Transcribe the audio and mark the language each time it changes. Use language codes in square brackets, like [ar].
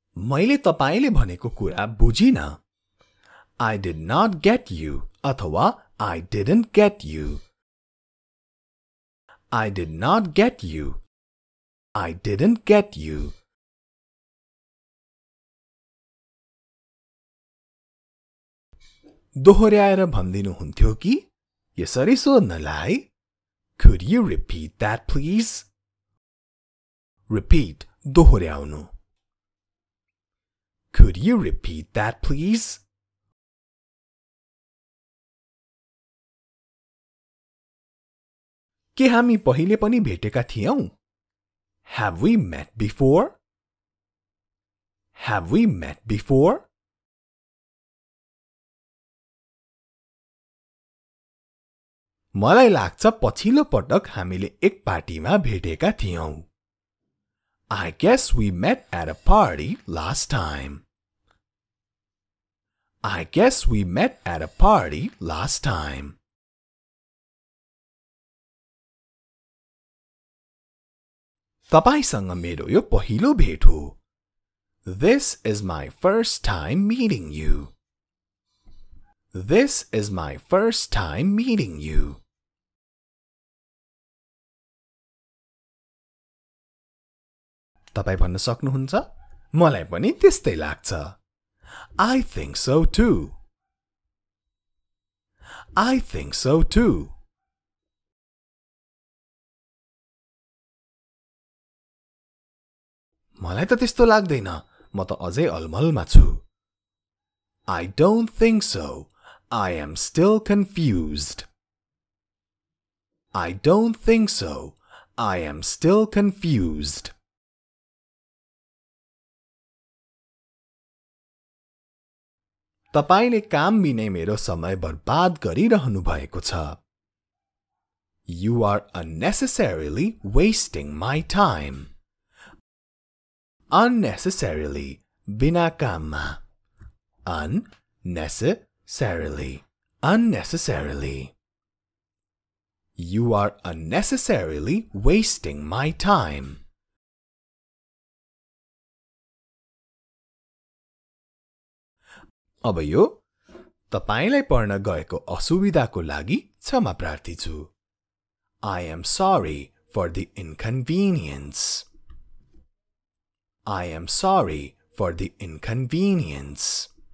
[ne] मैले तपाईले भनेको कुरा बुझिन। [en] I did not get you, अथवा I didn't get you. I did not get you. I didn't get you. [ne] दोहोर्याएर भन्दिनु हुन्थ्यो कि? यसरी सोध्नलाई? [en] Could you repeat that, please? [ne] Repeat, दोहोर्याउनु. [en] Could you repeat that, please? [ne] के हामी पहिले पनि भेटेका थियौं? [en] Have we met before? Have we met before? [ne] मलाई लाग्छ पछिल्लो पटक हामीले एक पार्टीमा भेटेका थियौं। [en] I guess we met at a party last time. I guess we met at a party last time. [ne] तपाईसँग मेरो यो पहिलो भेट हो। [en] This is my first time meeting you. This is my first time meeting you. [ne] तपाई भन्न सक्नुहुन्छ? मलाई पनि त्यस्तै लाग्छ। [en] I think so too. I think so too. [ne] मलाई त त्यस्तो लाग्दैन। म त अझै अलमलमा छु। [en] I don't think so. I am still confused. I don't think so. I am still confused. [ne] तपाईले काम बिनै मेरो समय बर्बाद गरिरहनु भएको छ। [en] You are unnecessarily wasting my time. [ne] Unnecessarily, बिना काममा। [en] Unnecessarily, unnecessarily. You are unnecessarily wasting my time. [ne] अब यो तपाईलाई पर्न गएको असुविधाको लागि क्षमा प्रार्थी छु। [en] I am sorry for the inconvenience. I am sorry for the inconvenience.